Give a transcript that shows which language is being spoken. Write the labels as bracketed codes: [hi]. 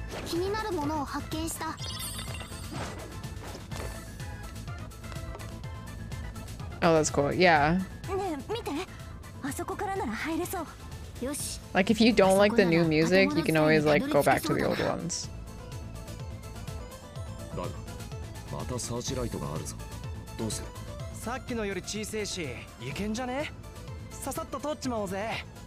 [ja] 気になるものを発見した。 [en] Oh, that's cool. Yeah. [ja] ね、見て。あそこからなら入れそう。よし。 [en] Like if you don't like the new music, you can always like go back to the old ones. [ja] だが、またサーチライトがあるぞ。どうする？さっきのより小さいし、いけんじゃね？ささっと通っちまおうぜ。